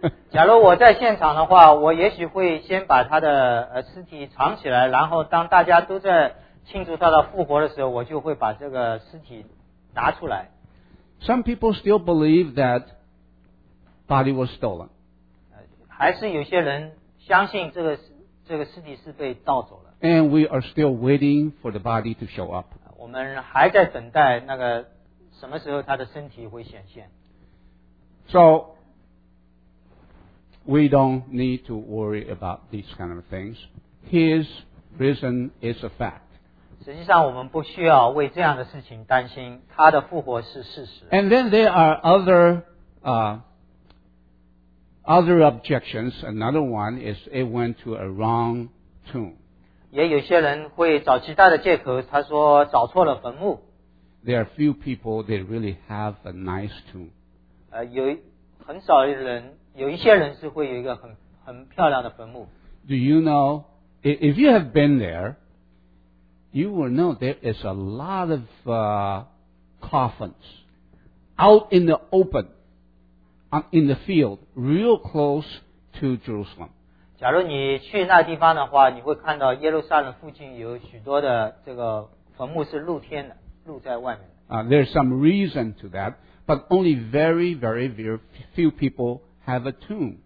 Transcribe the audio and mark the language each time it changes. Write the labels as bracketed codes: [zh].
[zh] 假如我在现场的话，我也许会先把他的尸体藏起来，然后当大家都在庆祝他的复活的时候，我就会把这个尸体拿出来。 [en] Some people still believe that body was stolen. [zh] 还是有些人相信这个尸体是被盗走了。 [en] And we are still waiting for the body to show up. [zh] 我们还在等待那个什么时候他的身体会显现。 [en] So,We don't need to worry about these kind of things. His risen is a fact. [zh] 实际上我们不需要为这样的事情担心，他的复活是事实。 [en] And then there are other objections. Another one is it went to a wrong tomb. [zh] 也有些人会找其他的借口，他说找错了坟墓。 [en] There are few people that really have a nice tomb. [zh] 有很少的人有一些人是会有一个很漂亮的坟墓。 [en] Do you know, if you have been there, you will know there is a lot of coffins out in the open, in the field, real close to Jerusalem. [zh] 假如你去那地方的话，你会看到耶路撒冷附近有许多的这个坟墓是露天的，露在外面的。 [en] There's some reason to that, but only very, very, very few peoplehave a tomb.